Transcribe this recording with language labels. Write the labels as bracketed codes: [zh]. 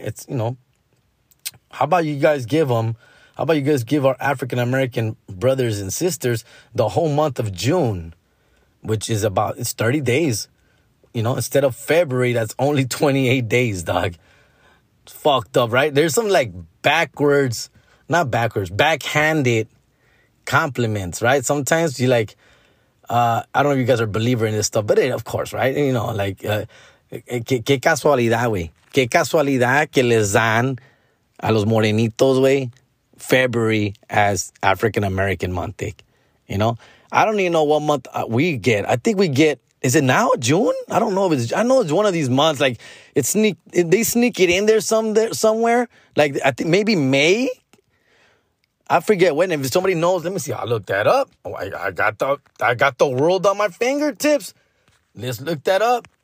[en] It's, you know, how about you guys give our African-American brothers and sisters the whole month of June, which is about, it's 30 days, you know, instead of February, that's only 28 days, dog. It's fucked up, right? There's some, like, backhanded compliments, right? Sometimes you, like, I don't know if you guys are a believer in this stuff, but of course, right? You know, like, [es] qué casualidad, güey. Qué casualidad que les dan a los morenitos, güey. [en] February as African American month, you know. I don't even know what month we get. I think we get, is it now June? I don't know if it's, I know it's one of these months, like they sneak it in there somewhere, like I think maybe May. I forget when. If somebody knows, let me see. I'll look that up. I got the world on my fingertips. Let's look that up.